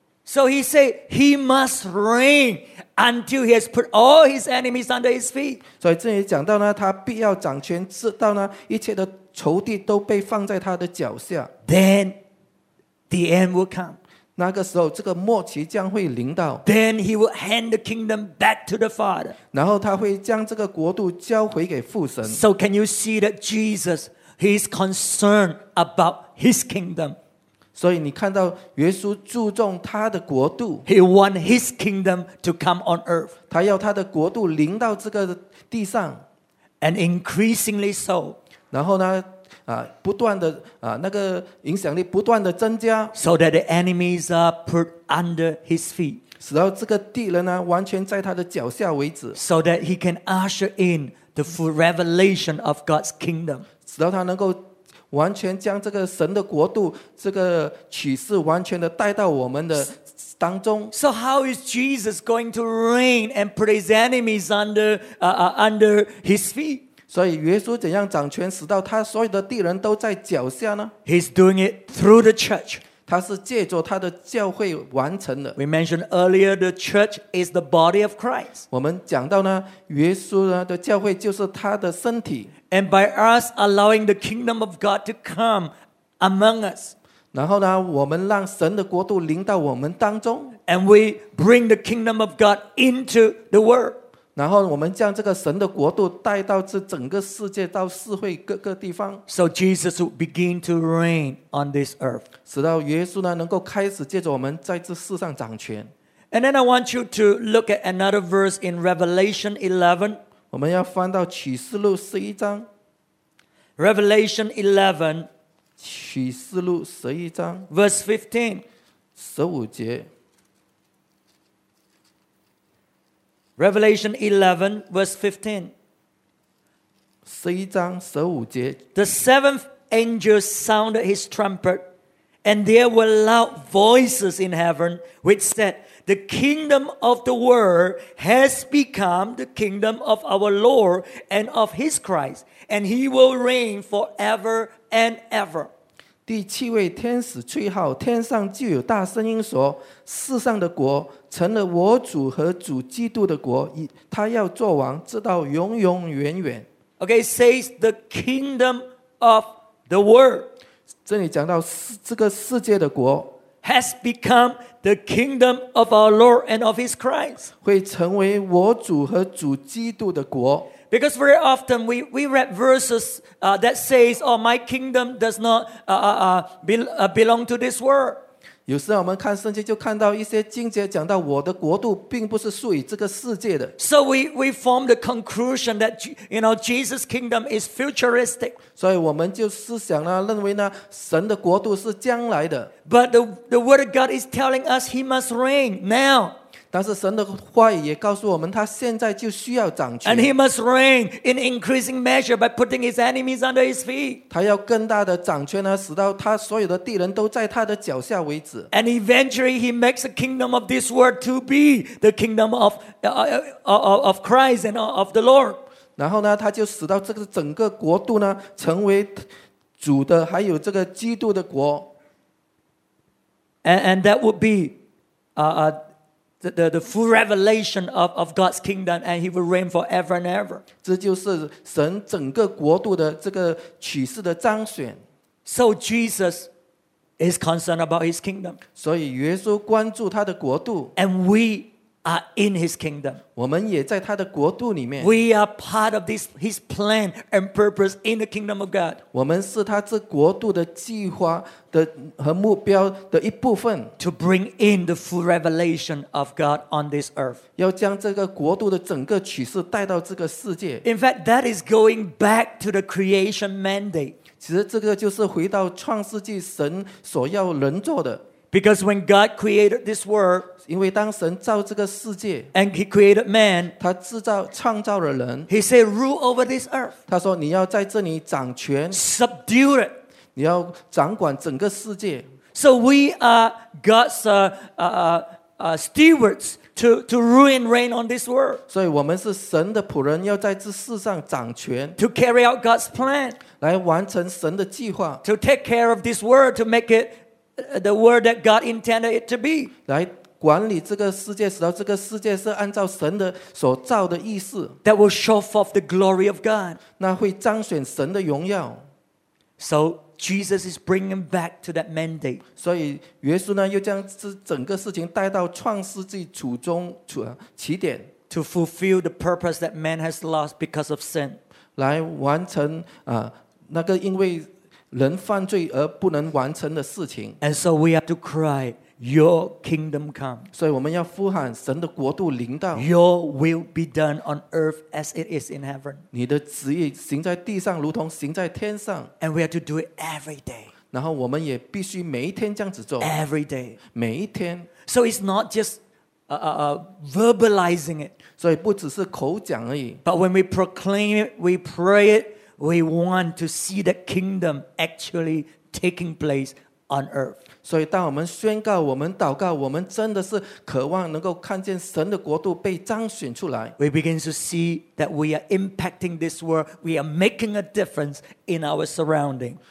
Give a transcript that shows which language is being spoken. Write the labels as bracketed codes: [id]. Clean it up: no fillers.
[en] So he said he must reign until he has put all his enemies under his feet. [zh] 所以这里讲到呢，他必要掌权，直到呢一切的仇敌都被放在他的脚下。 [en] Then the end will come. [zh] 那个时候，这个末期将会临到。 [en] Then he will hand the kingdom back to the Father. [zh] 然后他会将这个国度交回给父神。 [en] So can you see that Jesus, he is concerned about his kingdom? [zh] 所以你看到耶稣注重他的国度。 [en] He wants his kingdom to come on earth. [zh] 他要他的国度临到这个地上。 [en] And increasingly so. [zh] 然后呢？不断的那个影响力不断的增加 [en] ，so that the enemies are put under his feet， [zh] 使到这个敌人呢完全在他的脚下为止 [en] ，so that he can usher in the full revelation of God's kingdom， [zh] 使到他能够完全将这个神的国度这个启示完全的带到我们的当中。 [en] So how is Jesus going to reign and put his enemies under his feet? [zh] 所以耶稣怎样掌权使到他所有的敌人都在脚下呢？ [en] He's doing it through the church. [zh] 他是借着他的教会完成的。 [en] We mentioned earlier the church is the body of Christ. [zh] 我们讲到呢，耶稣呢的教会就是他的身体。 [en] And by us allowing the kingdom of God to come among us. [zh] 然后呢，我们让神的国度临到我们当中。 [en] And we bring the kingdom of God into the world. [zh] 然后我们将这个神的国度带到这整个世界，到社会各个地方。 [en] So Jesus will begin to reign on this earth. [zh] 使到耶稣呢，能够开始借着我们在这世上掌权。 [en] And then I want you to look at another verse in Revelation 11. [zh] 我们要翻到启示录十一章。 [en] Revelation 11. [zh] 启示录十一章 [en] verse 15, [zh] 十五节 [en] Revelation 11 verse 15, [zh] 十一章十五节 [en] The seventh angel sounded his trumpet, and there were loud voices in heaven which said, The kingdom of the world has become the kingdom of our Lord and of his Christ, and he will reign forever and ever. [zh] 第七位天使吹号，天上就有大声音说：“世上的国成了我主和主基督的国，他要做王，直到永永远远。” [en] Okay, says the kingdom of the world. [zh] 这里讲到这个世界的国 [en] has become the kingdom of our Lord and of His Christ. [zh] 会成为我主和主基督的国。 [en] Because very often we read verses that says, "Oh, my kingdom does not belong to this world." [zh] 有时候我们看圣经就看到一些经节讲到我的国度并不是属于这个世界的。 [en] So we form the conclusion that you know Jesus' kingdom is futuristic. [zh] 所以我们就思想了，认为呢，神的国度是将来的。 [en] But the word of God is telling us He must reign now. [zh] 但是神的话语也告诉我们，他现在就需要掌权。 [en] And he must reign in increasing measure by putting his enemies under his feet. [zh] 他要更大的掌权呢，使到他所有的敌人都在他的脚下为止。 [en] And eventually he makes the kingdom of this world to be the kingdom of Christ and of the Lord. [zh] 然后呢，他就使到这个整个国度呢，成为主的，还有这个基督的国。 [en] And that would be, The full revelation of God's kingdom, and He will reign forever and ever. [zh] 这就是神整个国度的这个启示的彰显。 [en] So Jesus is concerned about His kingdom. [zh] 所以耶稣关注他的国度。 [en] And we are in His kingdom. [zh] 我们也在他的国度里面。 [en] We are part of this His plan and purpose in the kingdom of God. [zh] 我们是他这国度的计划。和目标的一部分 [en] to bring in the full revelation of God on this earth. [zh] 要将这个国度的整个启示带到这个世界。 [en] In fact, that is going back to the creation mandate. [zh] 其实这个就是回到创世纪神所要人做的。 [en] Because when God created this world, [zh] 因为当神造这个世界 [en] and He created man, [zh] 他创造了人 [en] He said, rule over this earth. [zh] 他说你要在这里掌权 [en] subdue it. [zh] 你要掌管整个世界。 [en] So we are God's stewards to rule and reign on this world. [zh] 所以我们是神的仆人，要在这世上掌权。 [en] To carry out God's plan. [zh] 来完成神的计划。 [en] To take care of this world, to make it the world that God intended it to be. [zh] 来管理这个世界，使到这个世界是按照神的所造的意思。 [en] That will show forth the glory of God. [zh] 那会彰显神的荣耀。 [en] SoJesus is bringing back to that mandate. [zh] 所以耶稣呢，又将这整个事情带到创世纪初衷起点 [en] ，to fulfill the purpose that man has lost because of sin. [zh] 来完成那个因为人犯罪而不能完成的事情。 [en] And so we have to cry, "Your kingdom come." [zh] 所以我们要呼喊神的国度临到。 [en] Your will be done on earth as it is in heaven. [zh] 你的旨意行在地上，如同行在天上。 [en] And we have to do it every day. [zh] 然后我们也必须每一天这样子做。 [en] Every day. [zh] 每一天。 [en] So it's not just verbalizing it. [zh] 所以不只是口讲而已。 [en] But when we proclaim it, we pray it, We want to see the kingdom actually taking place on earth. [zh] 所以当我们宣告我们祷告我们真的是渴望能够看见神的国度被彰显出来。 [en] We begin to see that we are impacting this world. We are making a difference in our surrounding.